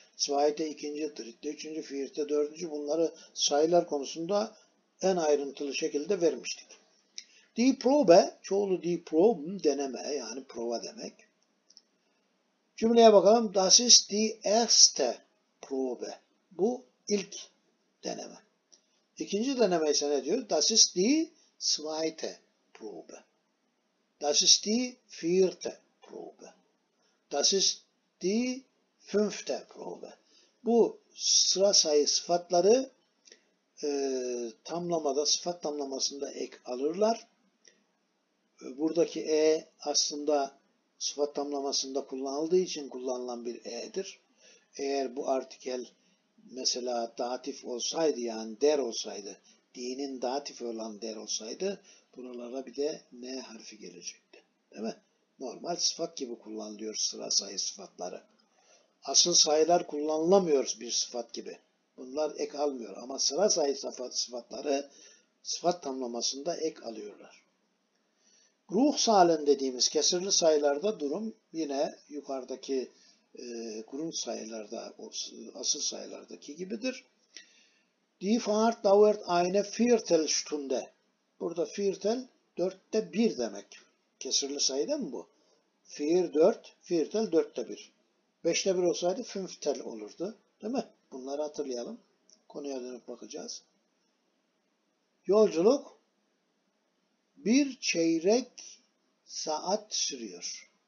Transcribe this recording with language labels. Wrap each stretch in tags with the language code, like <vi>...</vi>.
<tr>Zweite ikinci, dritte üçüncü, vierte dördüncü bunları sayılar konusunda en ayrıntılı şekilde vermiştik. Die Probe, çoğulu die Proben, deneme yani prova demek. Cümleye bakalım.</tr> <de>Das ist die erste Probe.</de> <tr>Bu ilk deneme. İkinci deneme ise ne diyor?</tr> <de>Das ist die zweite Probe. Das ist die vierte Probe. Das ist die fünfte Probe.</de> <tr>Bu sıra sayı sıfatları tamlamada, sıfat tamlamasında ek alırlar. Buradaki E aslında sıfat tamlamasında kullanıldığı için kullanılan bir E'dir. Eğer bu artikel mesela datif olsaydı yani der olsaydı, D'nin datif olan der olsaydı buralara bir de N harfi gelecekti. Değil mi? Normal sıfat gibi kullanılıyor sıra sayı sıfatları. Asıl sayılar kullanılamıyoruz bir sıfat gibi. Bunlar ek almıyor ama sıra sayı sıfatları sıfat tamlamasında ek alıyorlar. Ruhsalen dediğimiz kesirli sayılarda durum yine yukarıdaki kurum sayılarda, asıl sayılardaki gibidir.</tr> <de>Die Fahrt dauert eine Viertelstunde.</de> <tr>Burada Viertel dörtte bir demek. Kesirli sayı değil mi bu? Vier, dört, Viertel dörtte bir. Beşte bir olsaydı Fünftel olurdu. Değil mi? Bunları hatırlayalım. Konuya dönüp bakacağız. Yolculuk bir çeyrek saat sürüyor.</tr>